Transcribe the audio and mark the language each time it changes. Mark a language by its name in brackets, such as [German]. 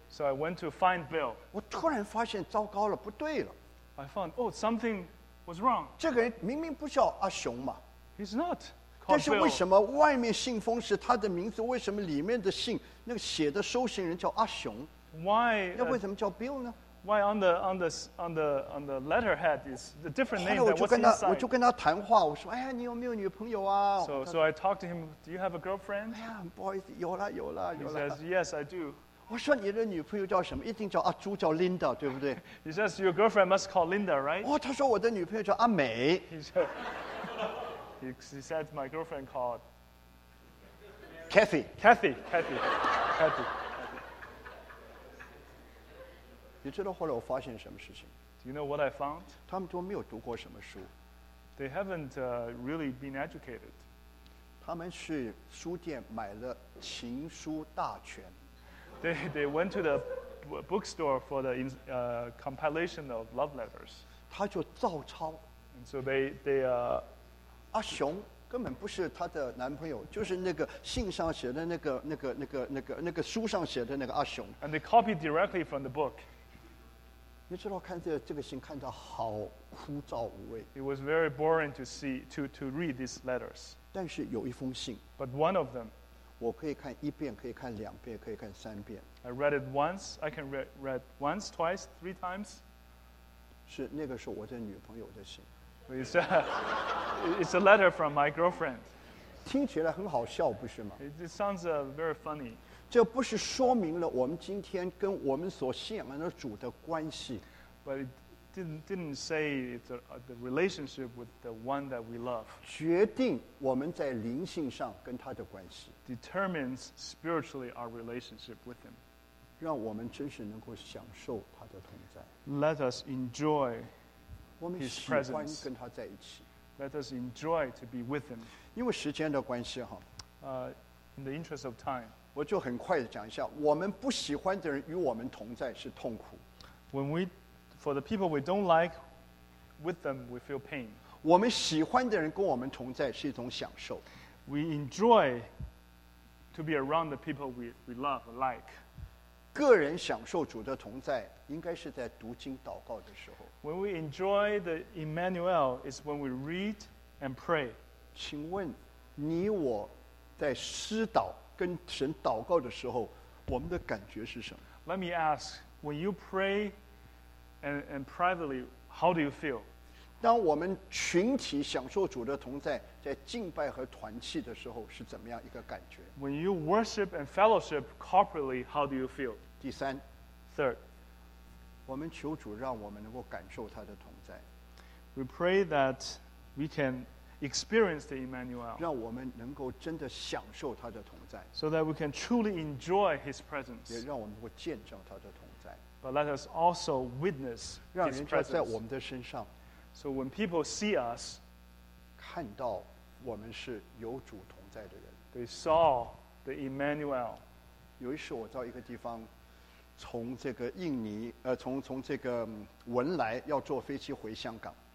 [English] So I went to find Bill. [Chinese] 我突然发现糟糕了，不对了。 [English] I found, oh, something was wrong. [Chinese] 这个人明明不叫阿雄嘛。 [English] He's not called Bill. [Chinese] 但是为什么外面信封是他的名字，为什么里面的信，那个写的收信人叫阿雄？ [English] Why? [Chinese] 那为什么叫 Bill 呢？ [English] Why on the letterhead is a different name that was inside. [Chinese] 我就跟他谈话，我说，哎呀，你有没有女朋友啊？ [English] So I talked to him. Do you have a girlfriend? [Chinese] 哎呀，不好意思，有了，有了，有了。 [English] He says, yes, I do. [Chinese] 我说你的女朋友叫什么？一定叫阿朱，叫 Linda， 对不对？ [English] He says your girlfriend must call Linda, right? [Chinese] 哦，他说我的女朋友叫阿美。 [English] He said my girlfriend called Kathy. Kathy. Kathy. Kathy. [Chinese] 你知道后来我发现什么事情？ [English] Do you know what I found? [Chinese] 他们都没有读过什么书。 [English] They haven't really been educated. [Chinese] 他们去书店买了情书大全。 [English] They went to the bookstore for the compilation of love letters. [Chinese] 他就照抄。 [English] And so they [Chinese] 阿雄根本不是他的男朋友，就是那个信上写的那个书上写的那个阿雄。 [English] And they copied directly from the book. [Chinese] 你知道看这个信看得好枯燥无味。 [English] It was very boring to see to read these letters. [Chinese] 但是有一封信。 [English] But one of them. [Chinese] 我可以看一遍，可以看两遍，可以看三遍。 [English] I read it once. I can read once, twice, three times. [Chinese] 是那个时候我的女朋友的信。 [English] It's a letter from my girlfriend. [Chinese] 听起来很好笑，不是吗 [English] ？It sounds very funny. [Chinese] 这不是说明了我们今天跟我们所信仰的主的关系。 [English] But it didn't say it's the relationship with the one that we love. [Chinese] 决定我们在灵性上跟他的关系。 [English] Determines spiritually our relationship with him. [Chinese] 让我们真是能够享受他的同在。 [English] Let us enjoy his presence. [Chinese] 我们喜欢跟他在一起。 [English] Let us enjoy to be with him. [Chinese] 因为时间的关系哈。 [English] In the interest of time. [Chinese] 我就很快的讲一下，我们不喜欢的人与我们同在是痛苦。 [English] When we, for the people we don't like, with them we feel pain. [Chinese] 我们喜欢的人跟我们同在是一种享受。 [English] We enjoy to be around the people we love or like. [Chinese] 个人享受主的同在，应该是在读经祷告的时候。 [English] When we enjoy the Emmanuel is when we read and pray. [Chinese] 请问，你我在施祷。跟神祷告的时候，我们的感觉是什么 [English] ？Let me ask, when you pray and privately, how do you feel? [Chinese] 当我们群体享受主的同在，在敬拜和团契的时候，是怎么样一个感觉 [English] ？When you worship and fellowship corporately, how do you feel? [Chinese] 第三 [English] ，Third, [Chinese] 我们求主让我们能够感受他的同在。 [English] We pray that we can. Experience the Emmanuel, [Chinese] 让我们能够真的享受他的同在 [English] ，so that we can truly enjoy his presence， [Chinese] 也让我们能够见证他的同在。 [English] But let us also witness his presence， [Chinese] 让人家在我们的身上 [English] ，so when people see us， [Chinese] 看到我们是有主同在的人。 [English] They saw the Emmanuel。 [Chinese] 有一次我到一个地方，从这个印尼，从这个文莱要坐飞机回香港。